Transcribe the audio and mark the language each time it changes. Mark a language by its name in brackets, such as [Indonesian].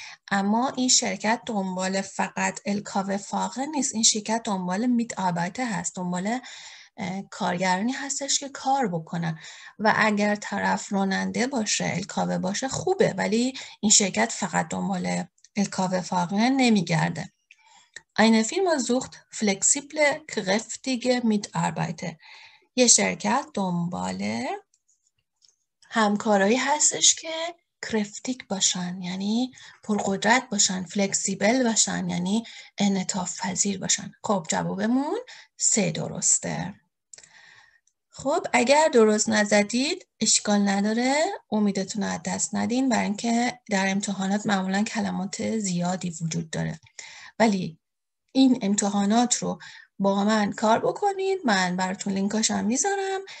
[Persian] اما این شرکت دنبال فقط الکاوه فاقه نیست. این شرکت دنبال میت آبایته هست. دنبال کارگرانی هستش که کار بکنه. و اگر طرف راننده باشه الکاوه باشه خوبه. ولی این شرکت فقط دنبال الکاوه فاقه نمیگرده. [German] Eine Firma sucht flexible kräftige Mitarbeiter. [Persian] یه شرکت دنبال همکارایی هستش که کرفتیک باشن، یعنی پرقدرت باشن، فلکسیبل باشن، یعنی انعطاف پذیر باشن. خب جوابمون سه درسته. خب اگر درست نزدید اشکال نداره، امیدتون رو از دست ندین، برای اینکه در امتحانات معمولا کلمات زیادی وجود داره، ولی این امتحانات رو با من کار بکنید، من براتون لینکاش هم میذارم.